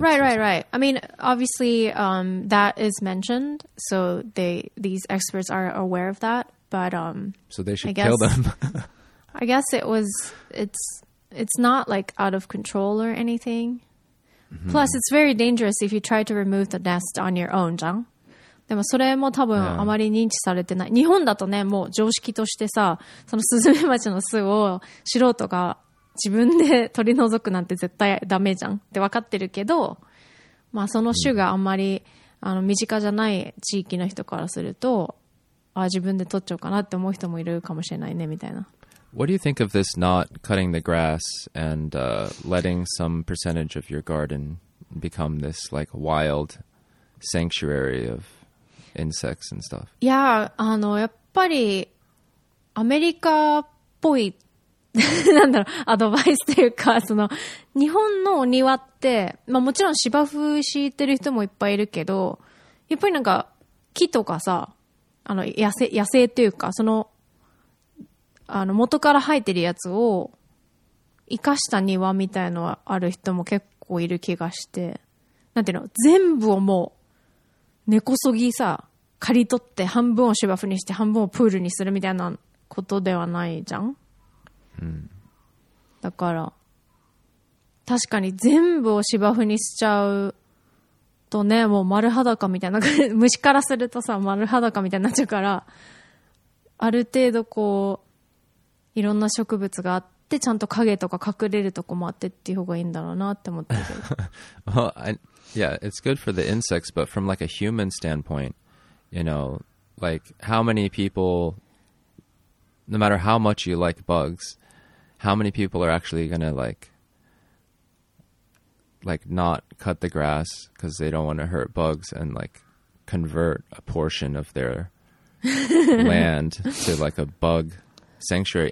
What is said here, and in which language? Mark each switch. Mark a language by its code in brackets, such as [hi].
[en] Right. I mean, obviously, that is mentioned. So these experts are aware of that. But so they should kill them. I guess it's not like out of control or anything. Mm-hmm. Plus, it's very dangerous if you try to remove the nest on your own, [ja] じゃん。でもそれも多分あまり認知されてない。 [en] Yeah. [ja] 日本だとね、もう常識としてさ、そのスズメバチの巣を素人が自分で取り除くなんて絶対ダメじゃんって分かってるけど、まあその種があんまり身近じゃない地域の人からすると。自分で取っちゃおうかなって思う人もいるかもしれないねみたいな。 [en] What do you think of this not cutting the grass and letting some percentage of your garden become this like wild sanctuary of insects and stuff? [ja] いや、やっぱりアメリカっぽいなんだろう、アドバイスというか、その日本のお庭って、まあ、もちろん芝生敷いてる人もいっぱいいるけど、やっぱりなんか木とかさ、野生というか、元から生えてるやつを生かした庭みたいのはある人も結構いる気がして、なんていうの、全部をもう根こそぎさ刈り取って半分を芝生にして半分をプールにするみたいなことではないじゃん、うん、だから確かに全部を芝生にしちゃうとね、もう丸裸みたいな、虫からするとさ丸裸みたいになっちゃうから、ある程度こういろんな植物があってちゃんと影とか隠れるとこもあってっていう方がいいんだろうなって思ってる。 [en] Well, yeah, it's good for the insects, but from like a human standpoint, you know, like how many people, no matter how much you like bugs, how many people are actually going to like not cut the grass because they don't want to hurt bugs and like convert a portion of their land to like a bug sanctuary.